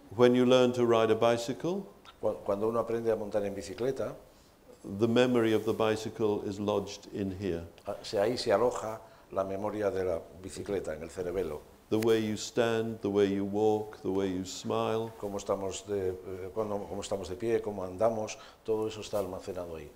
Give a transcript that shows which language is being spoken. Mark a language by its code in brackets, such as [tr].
[en] When you learn to ride a bicycle, [es] cuando uno aprende a montar en bicicleta, [en] the memory of the bicycle is lodged in here. [es] Ahí se aloja la memoria de la bicicleta en el cerebelo. [en] The way you stand, the way you walk, the way you smile. [es] Cómo estamos de pie, cómo andamos, todo eso está almacenado ahí.